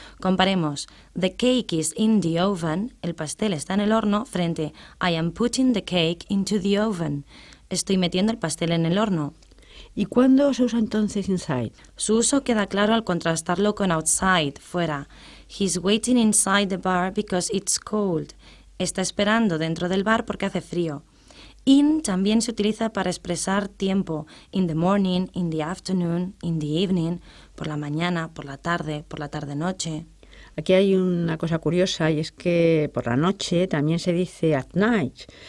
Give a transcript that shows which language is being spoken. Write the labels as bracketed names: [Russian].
[Spanish] Comparemos, [English] the cake is in the oven, [Spanish] el pastel está en el horno, frente, [English] I am putting the cake into the oven, [Spanish] estoy metiendo el pastel en el horno. ¿Y cuándo se usa entonces inside? Su uso queda claro al contrastarlo con outside, fuera. [English] He's waiting inside the bar because it's cold. [Spanish] Está esperando dentro del bar porque hace frío. In también se utiliza para expresar tiempo, [English] in the morning, in the afternoon, in the evening, [Spanish] por la mañana, por la tarde-noche. Aquí hay una cosa curiosa y es que por la noche también se dice at night.